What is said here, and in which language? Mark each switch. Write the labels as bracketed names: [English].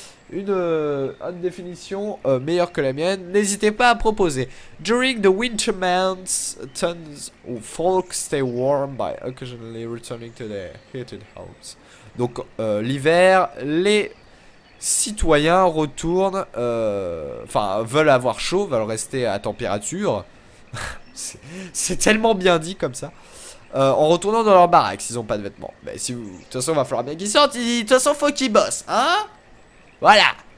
[French] une définition meilleure que la mienne, n'hésitez pas à proposer. [English] During the winter months, tons of folk stay warm by occasionally returning to their heated homes. [French] Donc l'hiver, les citoyens retournent, enfin veulent avoir chaud, veulent rester à température. C'est tellement bien dit comme ça. En retournant dans leur baraque, s'ils ont pas de vêtements. Mais si vous, de toute façon, il va falloir bien qu'ils sortent. De toute façon, faut qu'ils bossent, hein. Voilà.